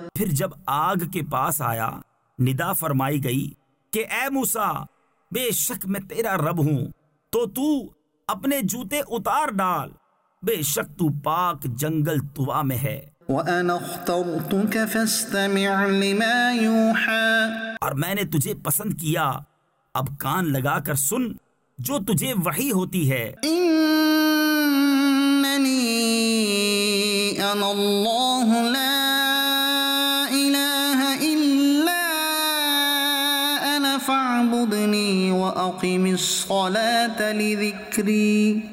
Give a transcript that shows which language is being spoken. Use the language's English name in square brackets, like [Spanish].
[Urdu] پھر جب آگ کے پاس آیا, ندا فرمائی گئی کہ اے موسیٰ, بے شک میں تیرا رب ہوں, تو اپنے جوتے اتار ڈال, بے شک تو پاک جنگل طوا میں ہے. [Arabic] وانا اخترتك فاستمع لما يوحى, [Urdu] اور میں نے تجھے پسند کیا, اب کان لگا کر سن جو تجھے وحی ہوتی ہے. [Arabic] اننی انا اللہ لا الہ الا انا فاعبدنی واقم الصلاۃ لذکری,